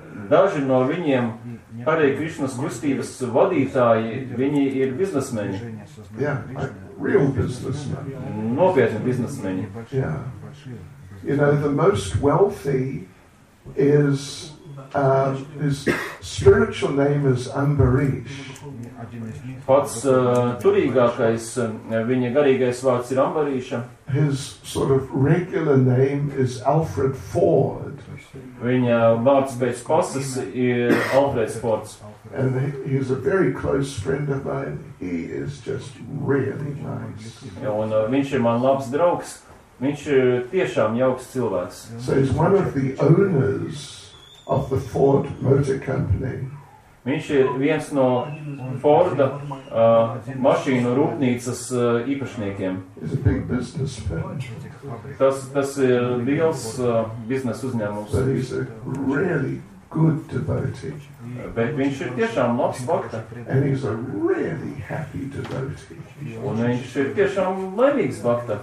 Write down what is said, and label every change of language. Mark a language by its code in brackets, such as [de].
[lv] Daži no viņiem Hare Krishnas kustības vadītāji, viņi ir biznesmeņi. [en] Yeah, like real businessmen. [lv] Nopietni biznesmeni. [en] Yeah. You know, the most wealthy is his spiritual name is Ambarish. [lv] Pats turīgākais, viņa garīgais vārds ir Ambarīša. [en] His sort of regular name is Alfred Ford. [lv] Viņa vārds bez pasas ir Alfreds Fords. [en] And he is a very close friend of mine. He is just really nice. [lv] Ja, un viņš ir man labs draugs. Viņš ir tiešām jauks cilvēks. [en] So he's one of the owners of the Ford Motor Company. [lv] Viņš ir viens no Forda mašīnu rūpnīcas īpašniekiem. [en] He's a big businessman. [lv] Tas ir liels biznesa uzņēmums. [en] But he's a really good devotee. [lv] Bet viņš ir tiešām labs bhakta. [en] And he's a really happy devotee. [lv] Un viņš ir tiešām laimīgs bhakta.